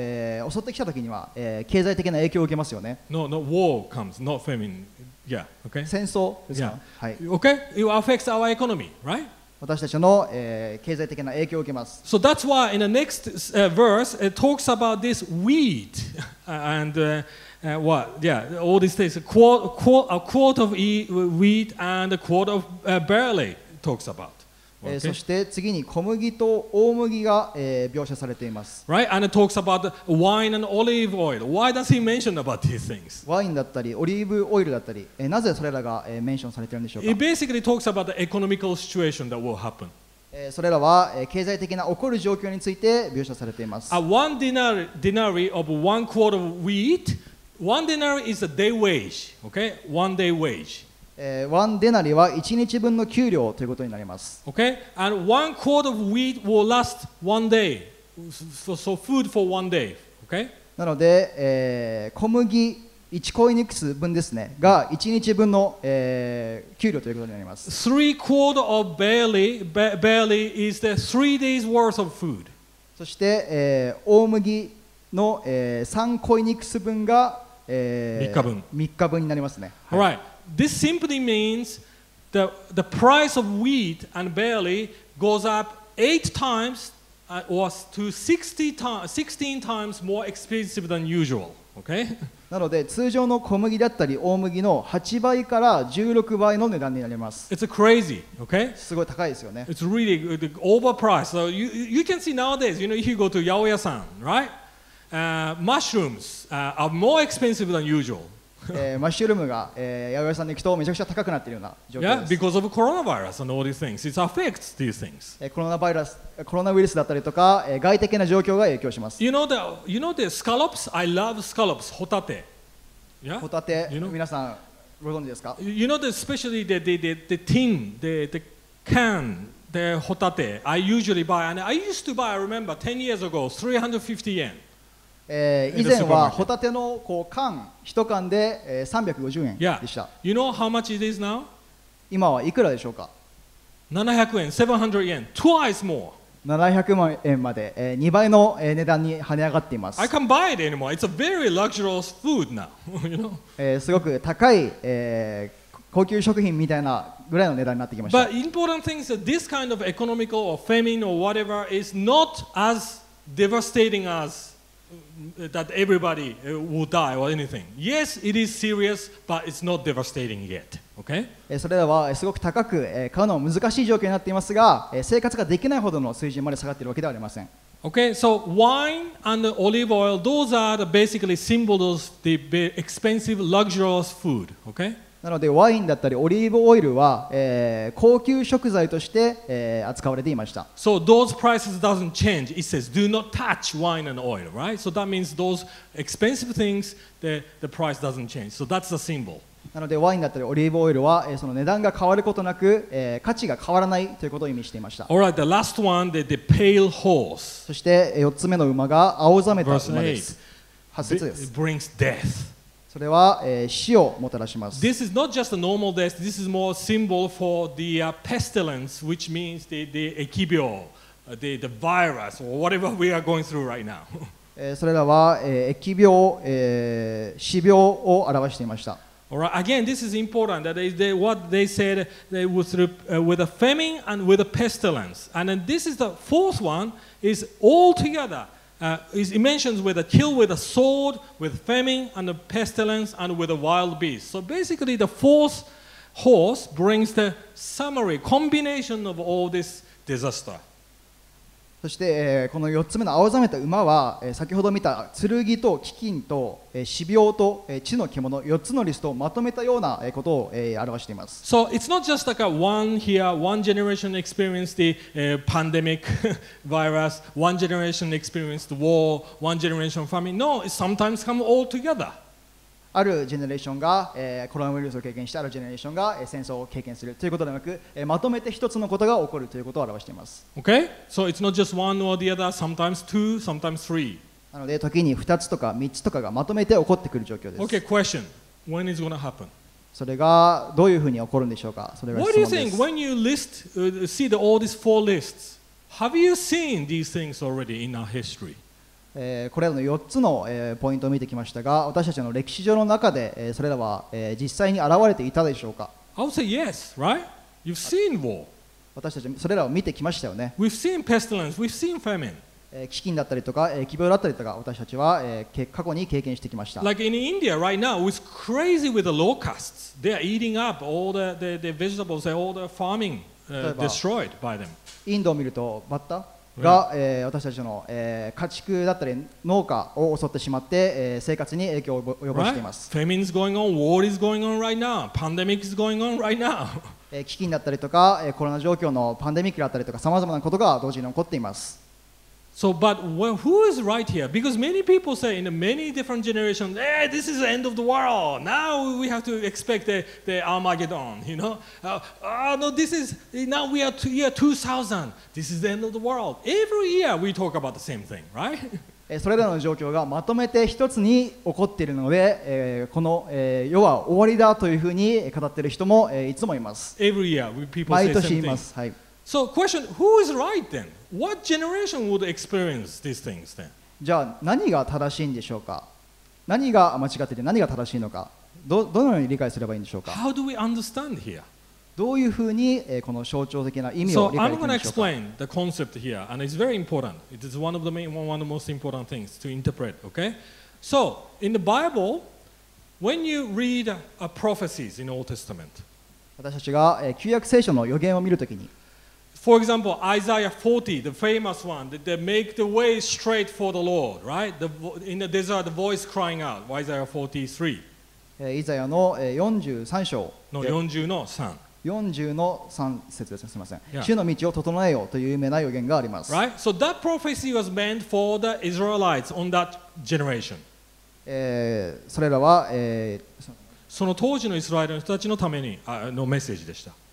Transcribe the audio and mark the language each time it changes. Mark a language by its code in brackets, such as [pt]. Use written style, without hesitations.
[ja] もし飢饉の期間が私たちを襲ってきた時には経済的な影響を受けますよね。 [en] No, war comes, not famine. Yeah, okay. [ja] 戦争ですか? [en] Yeah. Okay, it affects our economy, right? [ja] 私たちの経済的な影響を受けます。 [en] So that's why in the next verse it talks about this wheat and what? Yeah, all these things. A quarter of wheat and a quarter of barley talks about. Okay. [ja] そして次に小麦と大麦が描写されています。 [en] Right, and it talks about wine and olive oil. Why does he mention about these things? [ja] ワインだったりオリーブオイルだったり、なぜそれらがメンションされているんでしょうか? [en] It basically talks about the economical situation that will happen. [ja] それらは経済的な起こる状況について描写されています。 [en] One denarii of one quarter of wheat. One denarii is a day wage. Okay, one day wage. [ja] One denarii は1日分の給料ということになります。 [en] Okay, and one quart of wheat will last one day. So food for one day. Okay? [ja] なので、小麦1コイニクス分ですね、が1日分の給料ということになります。 [en] Three quart of barley is the 3 days worth of food. [ja] そして、大麦の3コイニクス分が3日分になりますね。 [en] All right. This simply means the price of wheat and barley goes up 8 times was to 16 times more expensive than usual. Okay? [ja] なので通常の小麦だったり大麦の8倍から16倍の値段になります。 [en] It's crazy, okay? [ja] すごい高いですよね。 [en] It's really overpriced. So you can see nowadays, you know, if you go to 八百屋さん, right? Mushrooms are more expensive than usual. [ja] マッシュルームが八百屋さんに行くとめちゃくちゃ高くなっているような状況です。 [en] Yeah, because of coronavirus and all these things, it affects these things. [ja] コロナウイルスだったりとか外的な状況が影響します。 [en] You know the scallops? I love scallops. ホタテ。 [ja] ホタテ。皆さんご存知ですか [en] ？You know the especially the tin, the can, the ホタテ. I usually buy and I used to buy. I remember 10 years ago, 350 yen. [ja] 以前はホタテのこう缶一缶で350円でした。 [en] Yeah. You know how much it is now? [ja] 今はいくらでしょうか？ 700円、 [en] 700 yen, twice more. [ja] 700万円まで、2倍の値段に跳ね上がっています。 [en] I can't buy it anymore. It's a very luxurious food now. You know? [ja] すごく高い、高級食品みたいなぐらいの値段になってきました。 [en] But important thing is that this kind of economical or famine or whatever is not as devastating as. That everybody will die or anything. Yes, it is serious, but it's not devastating yet. Okay? [ja] それらはすごく高く買うのは難しい状況になっていますが、生活ができないほどの水準まで下がっているわけではありません。 [en] Okay, so wine and olive oil, those are the basically symbols of the expensive, luxurious food. Okay? [ja] なのでワインだったりオリーブオイルは高級食材として扱われていました。 [en] So those prices doesn't change. It says do not touch wine and oil, right? So that means those expensive things, the price doesn't change. So that's the symbol. [ja] なのでワインだったりオリーブオイルはその値段が変わることなく価値が変わらないということを意味していました。 [en] All right, the last one, the pale horse. [ja] そして4つ目の馬が青ざめた馬です。 8節です。 [en] It brings death. [ja] それは死をもたらします。 [en] This is not just a normal death. This is more symbol for the pestilence, which means the ekibyo, the virus or whatever we are going through right now. [ja] それらは疫病、死病を表していました。 [en] Alright, again, this is important. That is what they said they would through with a famine and with a pestilence. And then this is the fourth one. Is all together. It mentions with a kill with a sword, with famine and a pestilence and with a wild beast. So basically the fourth horse brings the summary, combination of all this disaster. [ja] そして、この4つ目の青ざめた馬は、先ほど見た剣と飢饉と、死病と、地の獣、4つのリストをまとめたような、ことを、表しています。 [en] So it's not just like a one here, one generation experienced the, pandemic virus, one generation experienced war, one generation famine. No, it sometimes come all together. [ja] あるジェネレーションが、コロナウイルスを経験してあるジェネレーションが、戦争を経験するということではなく、まとめて一つのことが起こるということを表しています。 [en] Okay? So it's not just one or the other, sometimes two, sometimes three. [ja] なので時に2つとか3つとかがまとめて起こってくる状況です。 [en] Okay, question. When is going to happen? [ja] それがどういうふうに起こるんでしょうか？それが質問です。 [en] What do you think when you list, see the, all these four lists? Have you seen these things already in our history? [ja] これらの4つのポイントを見てきましたが私たちの歴史上の中でそれらは実際に現れていたでしょうか [en] I would say yes, right? You've seen war. [ja] 私たちそれらを見てきましたよね [en] We've seen pestilence, we've seen famine. [ja] 飢饉だったりとか疫病だったりとか私たちは過去に経験してきました [en] Like in India right now, it's crazy with the locusts. They are eating up all the vegetables, all the farming destroyed by them. [ja] インドを見るとバッタが、私たちの、家畜だったり農家を襲ってしまって、生活に影響を及ぼしています。 [en] Right? Famine is going on, war is going on right now, pandemic is going on right now. [ja] 飢饉だったりとか、コロナ状況のパンデミックだったりとか、さまざまなことが同時に起こっています。 [en] So, but well, who is right here? Because many people say in many different generations, hey, this is the end of the world. Now we have to expect the Armageddon, you know? No, this is, now we are to year 2000. This is the end of the world. Every year we talk about the same thing, right? [ja] それらの状況がまとめて一つに起こっているので、この、世は終わりだというふうに語っている人も、いつもいます。 [en] Every year we people say the same thing. [ja] はい。 [en] So question, who is right then? What generation would experience these things then? [ja] じゃあ何が正しいんでしょうか何が間違っていて何が正しいのかどのように理解すればいいんでしょうか [en] How do we understand here? [ja] ど,どういうふうにこの象徴的な意味を理解するでしょうか。 [en] So I'm going to explain the concept here, and it's very important. It is one of the main, one of the most important things to interpret. Okay? So in the Bible, when you read a prophecies in Old Testament, [ja] 私たちが旧約聖書の予言を見るときに、 [en] For example, Isaiah 40, the famous one, that they make the way straight for the Lord, right? The, in the desert, the voice crying out, Isaiah 43. [ja] Isaiah の43章。 No, 40の3。 40の3節です。すみません。主の道を整えようという有名な予言があります。 [en] Right? So that prophecy was meant for the Israelites on that generation. [ja] それらは、その当時のイスラエルの人たちのためにのメッセージでした。